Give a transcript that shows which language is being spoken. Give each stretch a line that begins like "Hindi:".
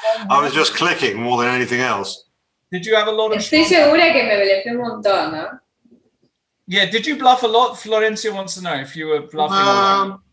English: I was just clicking more than anything else. Did you have a lot of...
Spanish: Estoy segura que me bluffé un montón, ¿no?
English: Yeah, did you bluff a lot? Florencia wants to know if you were bluffing a lot.